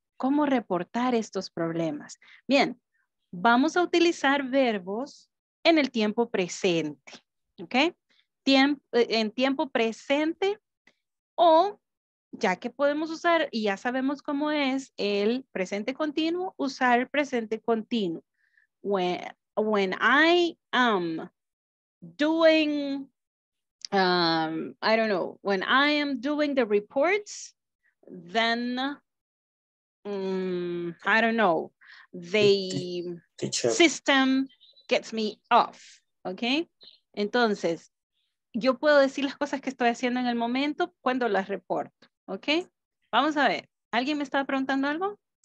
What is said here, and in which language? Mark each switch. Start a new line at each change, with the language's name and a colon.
Spanish: ¿Cómo reportar estos problemas? Bien, vamos a utilizar verbos en el tiempo presente, ¿okay? En tiempo presente. O ya que podemos usar y ya sabemos cómo es el presente continuo, usar presente continuo.
English: When I am doing, I don't know, when I am doing the reports, then, I don't know, the system gets me off, okay?
Spanish: Entonces, yo puedo decir las cosas que estoy haciendo en el momento cuando las reporto, ¿ok? Vamos a ver, ¿alguien me estaba preguntando algo?